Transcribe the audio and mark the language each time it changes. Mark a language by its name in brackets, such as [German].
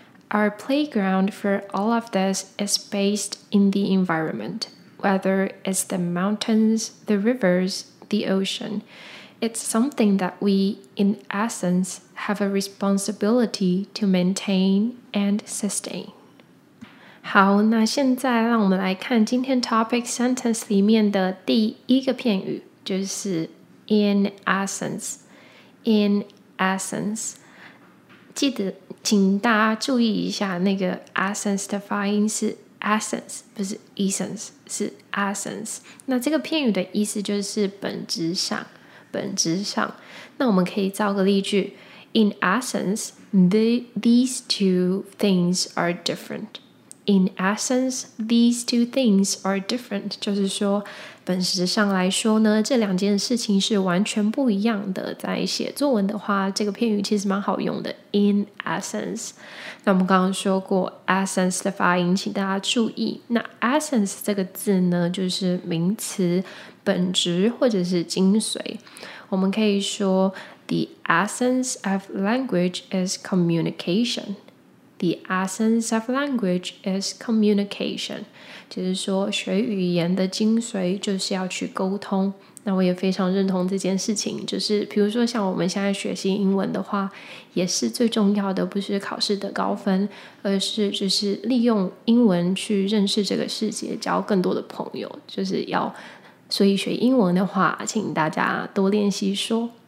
[English] Our playground for all of this is based in the environment. Whether it's the mountains, the rivers, the ocean, it's something that we, in essence, have a responsibility to maintain and sustain. [Chinese] 好，那现在让我们来看今天 topic sentence 里面的第一个片语，就是 in essence。 in essence， 记得请大家注意一下，那个 essence 的发音是 essence， 不是 essence， 是 essence。那这个片语的意思就是本质上，本质上。那我们可以造个例句 ： [English] In essence, these two things are different. In essence, these two things are different. [Chinese] 就是说，本质上来说呢，这两件事情是完全不一样的。在写作文的话，这个片语其实蛮好用的。 [English] In essence. [Chinese] 那我们刚刚说过 essence 的发音，请大家注意。那 essence 这个字呢，就是名词，本质或者是精髓。我们可以说 [English] The essence of language is communication. The essence of language is communication. [Chinese] 就是说学语言的精髓就是要去沟通。那我也非常认同这件事情，就是比如说像我们现在学习英文的话，也是最重要的不是考试的高分，而是就是利用英文去认识这个世界，交更多的朋友，就是要，所以学英文的话，请大家多练习说。